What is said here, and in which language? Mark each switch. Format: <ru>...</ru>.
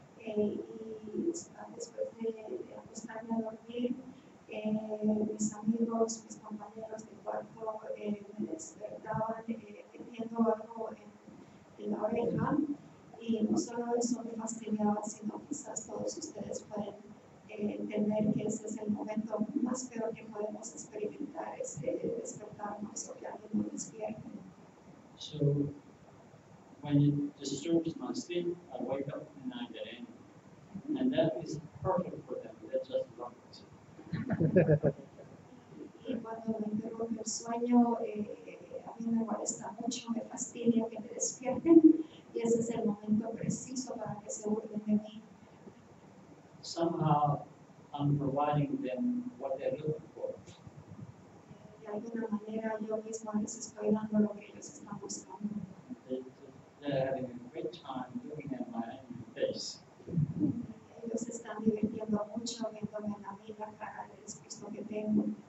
<es>Y después de acostarme a dormir, mis amigos, mis compañeros de cuarto me despertaban metiendo algo en la oreja, y no solo eso me fastidiaba, sino quizás todos ustedes pueden entender que ese es el momento más peor que podemos experimentar, es despertarnos o que alguien nos despierte.</es> <en>So, when it disturbs my sleep, I wake up and I get angry. And that is perfect for them. They just love it.</en> <es>Cuando me interrumpe el sueño, a mí me molesta mucho, me fastidia que me despierten, y ese es el momento preciso para que se burlen de mí.</es> <en>Somehow, I'm providing them what they're looking for.</en> <es>De alguna manera, yo mismo les estoy dando lo que ellos están buscando.</es> <en>They're having a great time looking at my angry face.</en> <es>Se están divirtiendo mucho viéndome en la vida para el esfuerzo que tengo.</es>